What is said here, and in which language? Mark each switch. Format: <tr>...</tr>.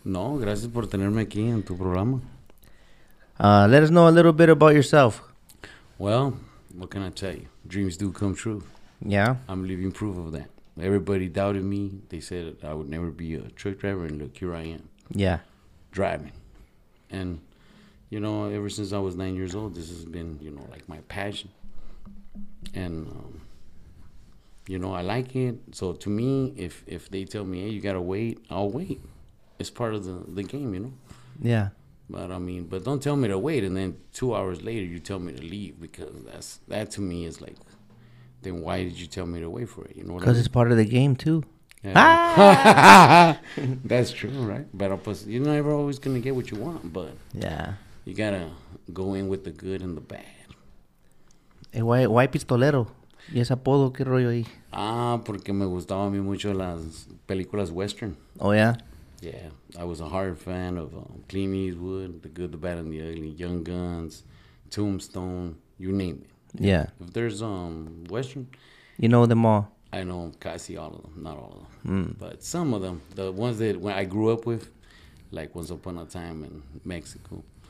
<es>No, gracias por tenerme aquí en tu programa.</es> <en>Let us know a little bit about yourself. Well, what can I tell you? Dreams do come true. Yeah. I'm living proof of that. Everybody doubted me. They said I would never be a truck driver, and look, here I am. Yeah. Driving. And, you know, ever since I was 9 years old, this has been, you know, like my passion. And, you know, I like it. So to me, if they tell me, hey, you got to wait, I'll wait. It's part of the game, you know? Yeah. But I mean, but don't tell me to wait. And then 2 hours later, you tell me to leave, because that to me is like, then why did you tell me to wait for it? You know what I mean? Because it's part of the game, too. Yeah. That's true, right? But you're never always going to get what you want. But yeah, you got to go in with the good and the bad.</en> <es>Hey, why Pistolero? ¿Y ese apodo qué rollo ahí? Ah, porque me gustaban a mí mucho las películas western.</es> <en>Oh, yeah? Yeah. I was a hard fan of Clint Eastwood, The Good, the Bad, and the Ugly, Young Guns, Tombstone, you name it. Yeah. If there's western. You know them all. I know casi all of them. Not all of them. Mm. But some of them. The ones that when I grew up with, like Once Upon a Time in Mexico.</en>